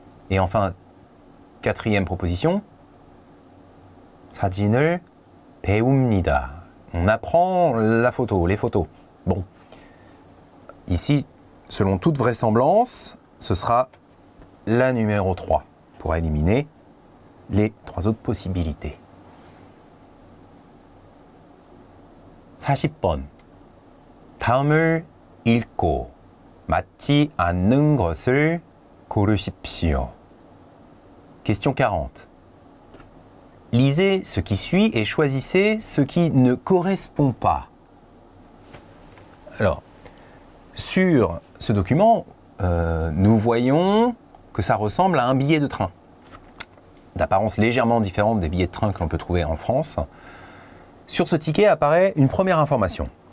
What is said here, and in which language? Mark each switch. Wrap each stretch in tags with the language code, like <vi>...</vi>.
<fr>Et enfin, 4re proposition.</fr> <ko>사진을 배웁니다.</ko> <fr>On apprend la photo, les photos. Bon. Ici, selon toute vraisemblance, ce sera la numéro 3 pour éliminer les trois autres possibilités.</fr> <ko>40번. 다음을 읽고 맞지 않는 것을 고르십시오.</ko> <fr>Question 40. Lisez ce qui suit et choisissez ce qui ne correspond pas. Alors, sur ce document, nous voyons que ça ressemble à un billet de train. D'apparence légèrement différente des billets de train que l'on peut trouver en France. Sur ce ticket apparaît une première information.</fr>